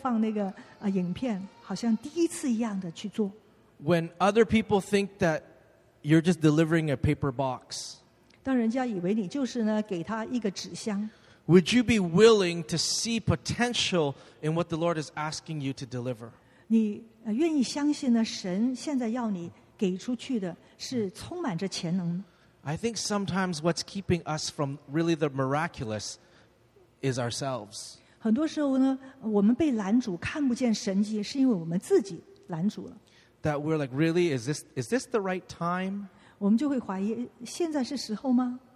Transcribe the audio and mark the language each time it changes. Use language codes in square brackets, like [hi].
[zh] 你愿不愿意呢,好像重新呢,好像播放那个影片,好像第一次一样的去做。 [en] When other people think that you're just delivering a paper box, [zh] 当人家以为你就是呢,给他一个纸箱, [en] would you be willing to see potential in what the Lord is asking you to deliver? [zh] 你愿意相信呢,神现在要你给出去的是充满着潜能吗? [en] I think sometimes what's keeping us from really the miraculous is ourselves. [zh] 很多时候呢,我们被拦阻,看不见神迹,是因为我们自己拦阻了。 [en] That we're like, really, is this the right time? [zh] 我们就会怀疑,现在是时候吗?